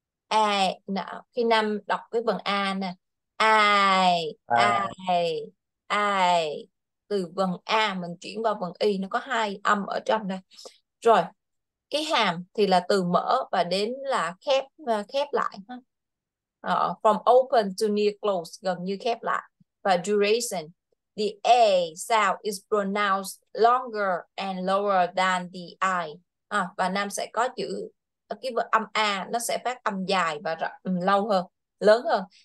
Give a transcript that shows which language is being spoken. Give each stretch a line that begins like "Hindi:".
Vietnamese: I. Nào, khi Nam đọc cái vần A nè. I. Ai. I. I. Từ vần A mình chuyển vào vần Y, nó có hai âm ở trong đây. Rồi, cái hàm thì là từ mở và đến là khép khép lại.
English: From open to near close, gần như khép lại. Và duration, the A sound is pronounced longer and lower than the I.
Vietnamese: Và nam sẽ có chữ, cái âm A nó sẽ phát âm dài và lâu hơn, lớn hơn.